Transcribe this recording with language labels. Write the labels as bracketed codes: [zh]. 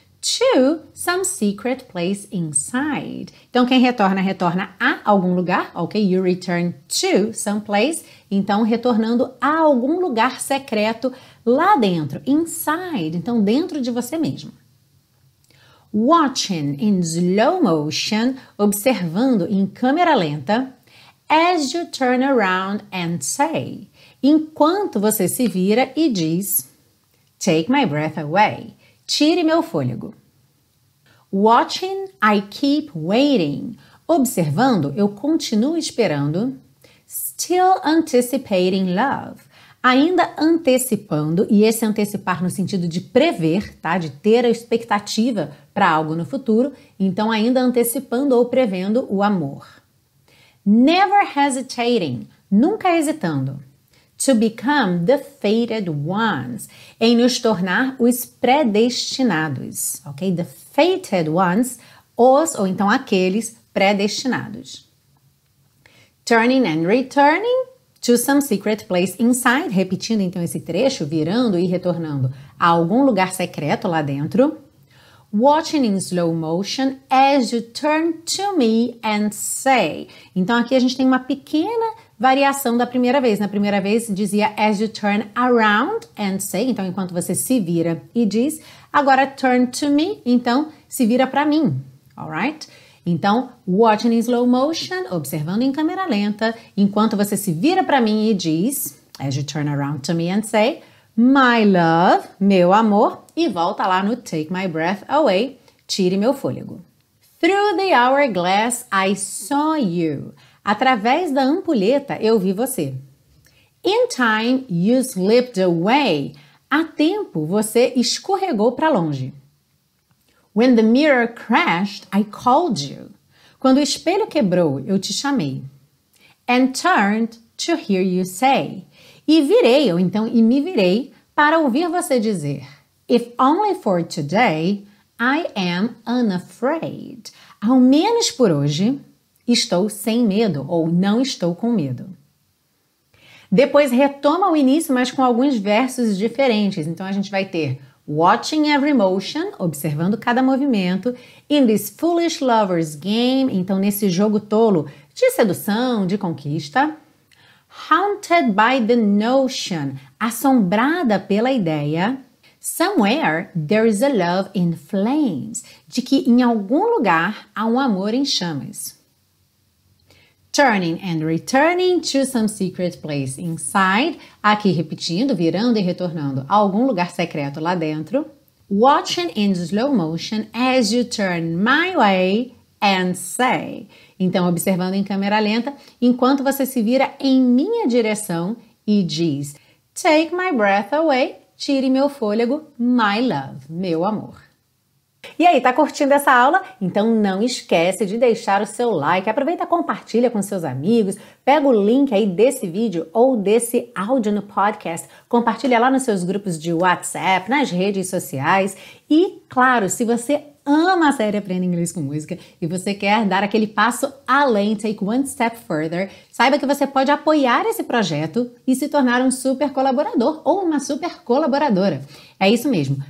[en] To some secret place inside. [pt] Então, quem retorna, retorna a algum lugar, ok? [en] You return to some place. [pt] Então, retornando a algum lugar secreto lá dentro, inside. Então, dentro de você mesmo. [en] Watching in slow motion, [pt] observando em câmera lenta, [en] as you turn around and say, [pt] enquanto você se vira e diz, [en] take my breath away, [pt] tire meu fôlego. [en] Watching, I keep waiting. [pt] Observando, eu continuo esperando. [en] Still anticipating love. [pt] Ainda antecipando, e esse antecipar no sentido de prever, tá? De ter a expectativa para algo no futuro. Então, ainda antecipando ou prevendo o amor. [en] Never hesitating. [pt] Nunca hesitando. [en] To become the fated ones. [pt] Em nos tornar os predestinados. Ok? [en] The fated ones, [pt] os, ou então aqueles, predestinados. [en] Turning and returning to some secret place inside, [pt] repetindo então esse trecho, virando e retornando a algum lugar secreto lá dentro. [en] Watching in slow motion as you turn to me and say. [pt] Então aqui a gente tem uma pequena variação da primeira vez. Na primeira vez dizia as you turn around and say, então enquanto você se vira e diz. Agora, [en] turn to me, [pt] então, se vira para mim, [en] alright? [pt] Então, [en] watching in slow motion, [pt] observando em câmera lenta, enquanto você se vira para mim e diz, [en] as you turn around to me and say, my love, [pt] meu amor, e volta lá no [en] take my breath away, [pt] tire meu fôlego. [en] Through the hourglass, I saw you. [pt] Através da ampulheta, eu vi você. [en] In time, you slipped away. [pt] A tempo, você escorregou para longe. [en] When the mirror crashed, I called you. [pt] Quando o espelho quebrou, eu te chamei. [en] And turned to hear you say. [pt] E virei, ou então, e me virei para ouvir você dizer. [en] If only for today, I am unafraid. [pt] Ao menos por hoje, estou sem medo ou não estou com medo. Depois retoma o início, mas com alguns versos diferentes. Então a gente vai ter [en] watching every motion, [pt] observando cada movimento, [en] in this foolish lover's game, [pt] então nesse jogo tolo de sedução, de conquista, [en] haunted by the notion, [pt] assombrada pela ideia, [en] somewhere there is a love in flames, [pt] de que em algum lugar há um amor em chamas. [en] Turning and returning to some secret place inside. [pt] Aqui repetindo, virando e retornando a algum lugar secreto lá dentro. [en] Watching in slow motion as you turn my way and say. [pt] Então, observando em câmera lenta, enquanto você se vira em minha direção e diz, [en] take my breath away, [pt] tire meu fôlego, [en] my love, [pt] meu amor. E aí, tá curtindo essa aula? Então não esquece de deixar o seu like, aproveita, compartilha com seus amigos, pega o link aí desse vídeo ou desse áudio no podcast, compartilha lá nos seus grupos de WhatsApp, nas redes sociais e, claro, se você ama a série Aprenda Inglês com Música e você quer dar aquele passo além, [en] take one step further, [pt] saiba que você pode apoiar esse projeto e se tornar um super colaborador ou uma super colaboradora. É isso mesmo.